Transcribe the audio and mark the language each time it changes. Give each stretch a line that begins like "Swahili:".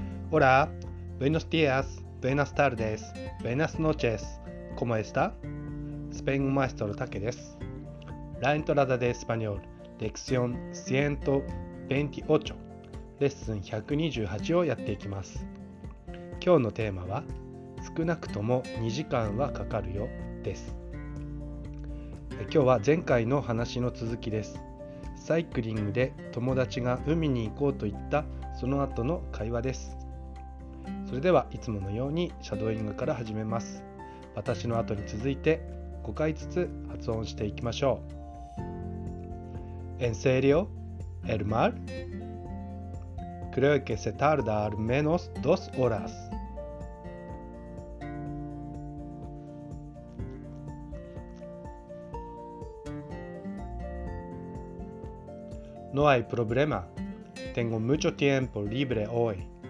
Spanish: Hola, buenos días, buenas tardes, buenas noches. ¿Cómo está?
Japanese: スペイン語マエストロタケです。ラエントラダデスパニョル、レクション128、レッスン128をやっていきます。今日のテーマは、少なくとも2時間はかかるよ、です。今日は前回の話の続きです。サイクリングで友達が海に行こうと言ったその後の会話です。それではいつものようにシャドーイングから始めます。私の後に続いて5回ずつ発音していきましょう。
Spanish: En serio, el mar? Creo que se tarda al menos 2 horas. No hay problema. Tengo mucho tiempo libre hoy.